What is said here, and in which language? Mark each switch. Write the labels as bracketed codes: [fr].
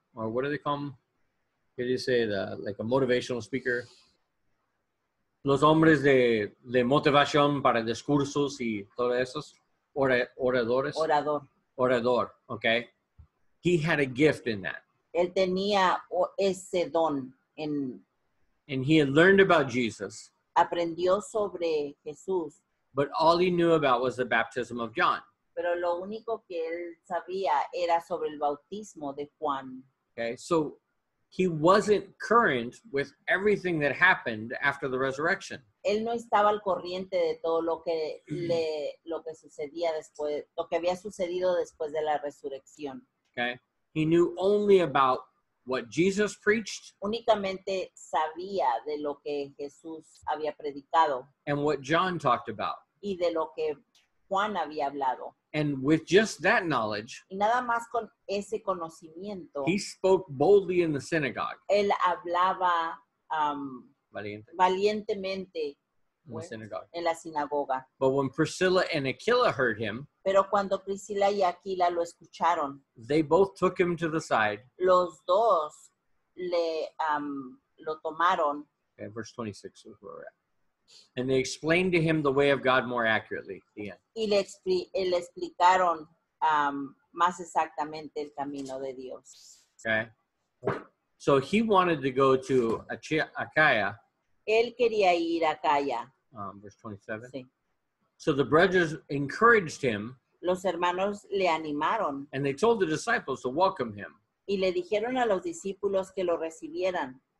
[en] Or what do they call them? Can you say that? Like a motivational speaker? [es] Los hombres de motivación para discursos y todo eso. Oradores. Orador. [en] Orador. Okay. He had a gift in that. [es] Él tenía ese don en. [en] And he had learned about Jesus. [es] Aprendió sobre Jesús. [en] But all he knew about was the baptism of John. [es] Pero lo único que él sabía era sobre el bautismo de Juan. [en] Okay, so he wasn't current with everything that happened after the resurrection. [es] Él no estaba al corriente de todo lo que sucedía después, lo que había sucedido después de la resurrección. [en] Okay, he knew only about what Jesus preached. [es] Únicamente sabía de lo que Jesús había predicado. [en] And what John talked about. [es] Y de lo que Juan había hablado. [en] And with just that knowledge, [es] y nada más con ese conocimiento, [en] he spoke boldly in the synagogue. [es] Él hablaba valientemente en la sinagoga. [en] But when Priscilla and Aquila heard him, [es] pero cuando Priscila y Aquila lo escucharon, [en] they both took him to the side. [es] Los dos le lo tomaron. [en] Okay, verse 26 is where we're at. And they explained to him the way of God more accurately. The end. [es] Y le explicaron más exactamente el camino de Dios. [en] Okay. So he wanted to go to Achaia. [es] Él quería ir a Achaia. [en] Verse 27. [es] Sí. [en] So the brothers encouraged him. [es] Los hermanos le animaron. [en] And they told the disciples to welcome him. [es] Y le dijeron a los discípulos que lo recibieran.